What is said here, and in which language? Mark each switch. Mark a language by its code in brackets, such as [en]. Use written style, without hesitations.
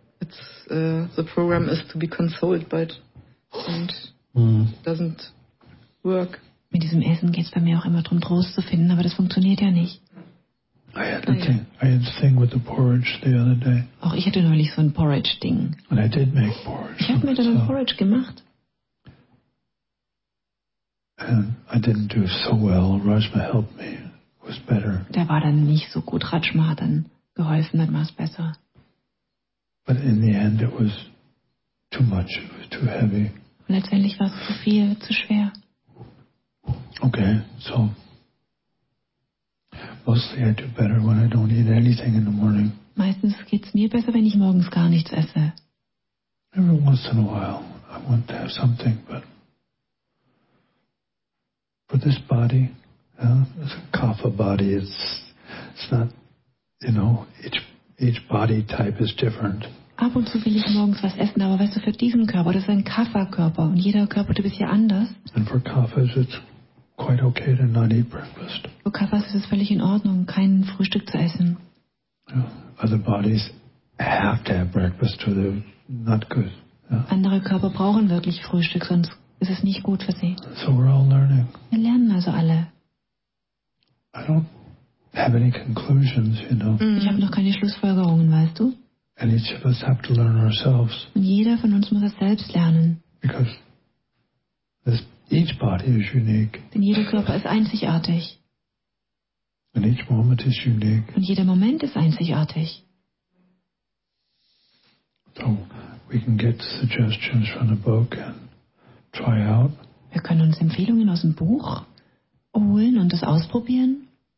[en] It's the program is to be consoled, but and. Doesn't work. [de] Mit diesem Essen geht es bei mir auch immer darum, Trost zu finden, aber das funktioniert ja nicht. [en] I had a thing with the porridge the other day. [de] Auch ich hatte neulich so ein Porridge-Ding. [en] And I did make porridge. [de] Ich habe mir dann ein Porridge gemacht. [en] And I didn't do so well. Rajma helped me. It was better. [de] Der war dann nicht so gut. Rajma hat dann geholfen, dann war es besser. [en] But in the end it was too much. It was too heavy. [de] Und letztendlich war es zu viel, zu schwer. [en] Okay, so... Mostly I do better when I don't eat anything in the morning. [de] Meistens geht's mir besser, wenn ich morgens gar nichts esse. [en] Every once in a while I want to have something, but for this body, it's a kapha body, it's not, you know, each body type is different. [de] Ab und zu will ich morgens was essen, aber weißt du, für diesen Körper, das ist ein Kapha-Körper und jeder Körper, du bist ja anders. [en] And for kaphas it's quite okay to not eat breakfast. [de] Für Kaffers ist es völlig in Ordnung, kein Frühstück zu essen. [en] Yeah. Other bodies have to have breakfast, so they're not good. Yeah. [de] Andere Körper brauchen wirklich Frühstück, sonst ist es nicht gut für sie. [en] So we're all learning. [de] Wir lernen also alle. [en] I don't have any conclusions, you know. [de] Ich habe noch keine Schlussfolgerungen, weißt du? [en] And each of us have to learn ourselves. [de] Und jeder von uns muss es selbst lernen. [en] Because this each body is unique. [de] Denn jeder Körper ist einzigartig. [en] And each moment is unique. [de] Und jeder Moment ist einzigartig. [en] So we can get suggestions from the book and try out. [de] Wir können uns Empfehlungen aus dem Buch holen und das ausprobieren.